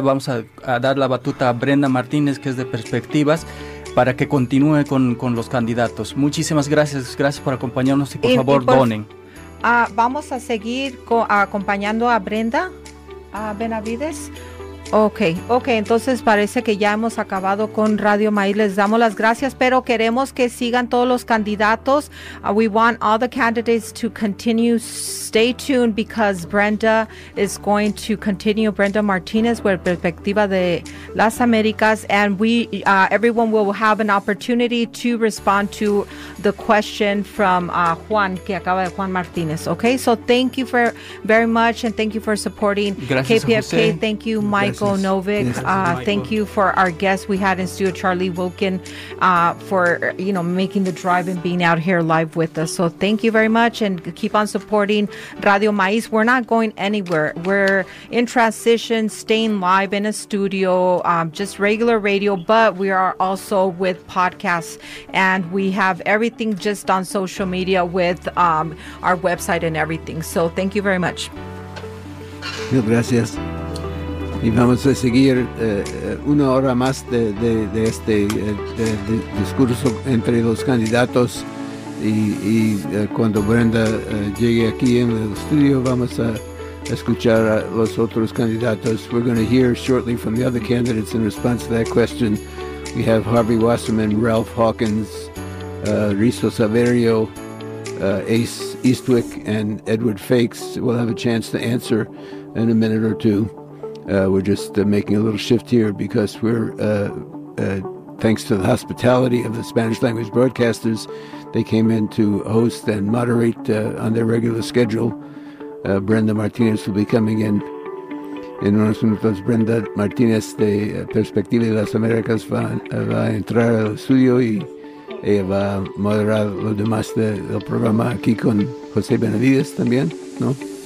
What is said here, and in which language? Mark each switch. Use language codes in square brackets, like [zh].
[es] Vamos a dar la batuta a Brenda Martínez, que es de Perspectivas, para que continúe con los candidatos. Muchísimas gracias. Gracias por acompañarnos y, por favor, donen. Vamos a seguir acompañando a Brenda Benavides. Ok, entonces parece que ya hemos acabado con Radio Maíz. Les damos las gracias, pero queremos que sigan todos los candidatos. [en] We want all the candidates to continue. Stay tuned because Brenda is going to continue. Brenda Martinez with Perspectiva de las Américas. And everyone will have an opportunity to respond to the question from Juan, [es] que acaba de Juan Martinez. [en] Okay, so thank you very much and thank you for supporting KPFK. Thank you, Mike. Michael Novick, thank you for our guest we had in studio, Charlie Wilkin, for, you know, making the drive and being out here live with us. So thank you very much and keep on supporting Radio Maíz. We're not going anywhere. We're in transition, staying live in a studio, just regular radio, but we are also with podcasts and we have everything just on social media with our website and everything. So thank you very much. [es] Gracias. Y vamos a seguir una hora más de este discurso entre los candidatos y cuando Brenda llegue aquí en el estudio vamos a escuchar a los otros candidatos. [en] We're going to hear shortly from the other candidates in response to that question. We have Harvey Wasserman, Ralph Hawkins, Risto Saverio, Ace Eastwick, and Edward Fakes. We'll have a chance to answer in a minute or two. We're just making a little shift here because we're, thanks to the hospitality of the Spanish language broadcasters, they came in to host and moderate on their regular schedule. Brenda Martinez will be coming in. [es] En unos minutos, Brenda Martinez de Perspectiva de las Américas va a entrar al estudio y ella va a moderar los demás del programa aquí con José Benavides también, ¿no?